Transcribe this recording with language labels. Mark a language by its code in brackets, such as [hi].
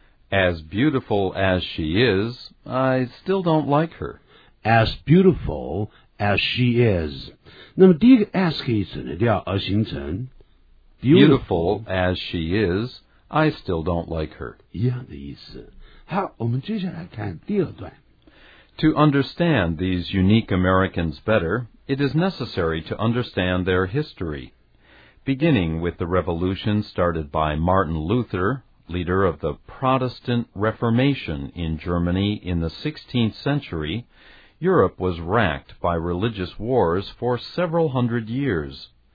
[en] As beautiful as she is, I still don't like her. As beautiful as she is. [zh] 那么第一个 as 可以省掉而形成 [en] beautiful as she is, I still don't like her. [zh] 一样的意思。好，我们接下来看第二段。 [en] To understand these unique Americans better, it is necessary to understand their history. Beginning with the revolution started by Martin Luther,leader of the Protestant Reformation in Germany in the 16th century, Europe was racked by religious wars for several hundred years.